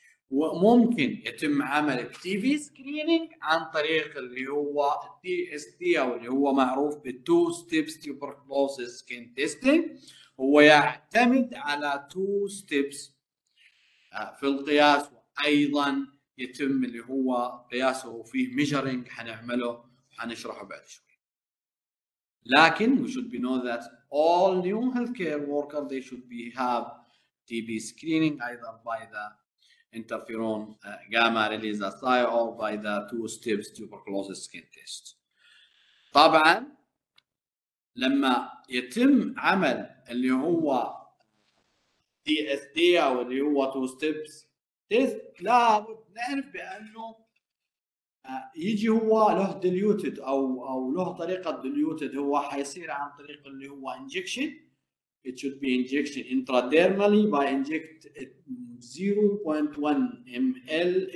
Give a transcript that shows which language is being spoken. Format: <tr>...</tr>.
<ar>وممكن يتم عمل التي في سكرينينج عن طريق اللي هو التي اس تي، او اللي هو معروف بالتو ستيبس تيوبركلوسيس سكين تيستينج. هو يعتمد على تو ستيبس في القياس، وايضا يتم اللي هو قياسه فيه ميجرينج حنعمله وحنشرحه بعد شوي.</ar> <en>لكن we should be know that all new healthcare workers they should be have TB screening either by the interferon gamma release assay or by the two steps tuberculosis skin test.</en> <ar>طبعا لما يتم عمل اللي هو TSD او اللي هو</ar> <en>two steps test،</en> <ar>لابد نعرف بانه يجي هو له ديليوتد او له طريقه ديليوتد، هو حيصير عن طريق اللي هو انجكشن.</ar> <en>It should be injection intradermally by inject 0.1 ml.</en>